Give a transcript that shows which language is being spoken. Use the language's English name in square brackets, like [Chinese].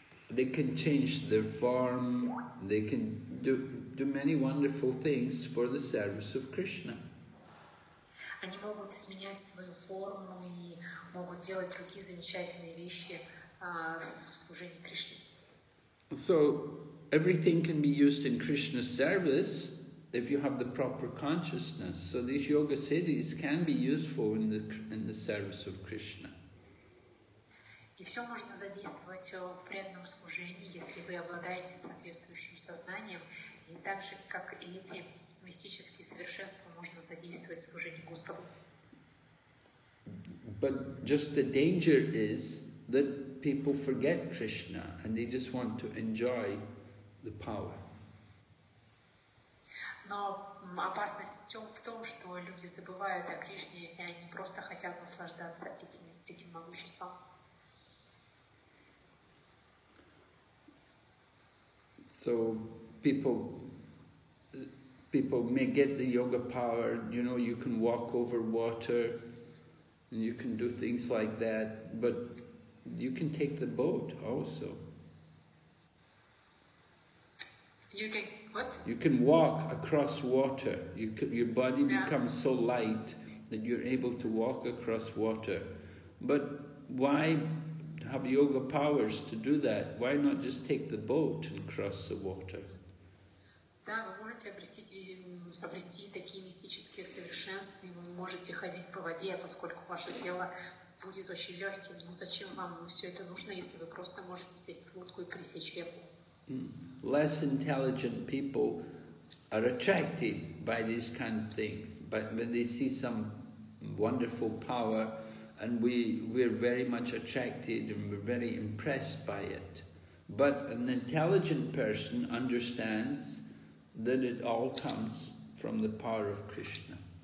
[English] They can change their form, they can do many wonderful things for the service of Krishna. [Russian] Они могут изменять свою форму и могут делать другие замечательные вещи в служении Кришне. [English] So, everything can be used in Krishna's service if you have the proper consciousness. So these yoga siddhis can be useful in the service of Krishna. [Russian] И все можно задействовать в преданном служении, если вы обладаете соответствующим сознанием, и так же, как и эти мистические совершенства можно задействовать в служении Господу. [English] But just the danger is that people forget Krishna and they just want to enjoy the power. [Russian] Но опасность в том, что люди забывают о Кришне и они просто хотят наслаждаться этим могуществом. [English] So people may get the yoga power, you know, you can walk over water and you can do things like that, but you can take the boat also. You can what? You can walk across water. Your body becomes so light that you're able to walk across water. But why have yoga powers to do that? Why not just take the boat and cross the water? [Russian] Да, вы можете обрести такие мистические совершенства, и вы можете ходить по воде, поскольку ваше тело будет очень легким. Но зачем вам все это нужно, если вы просто можете сесть в лодку и пересечь реку? [English] Less intelligent people are attracted by this kind of thing, but when they see some wonderful power, and we're very much attracted and we're very impressed by it. But an intelligent person understands that it all comes from the power of Krishna.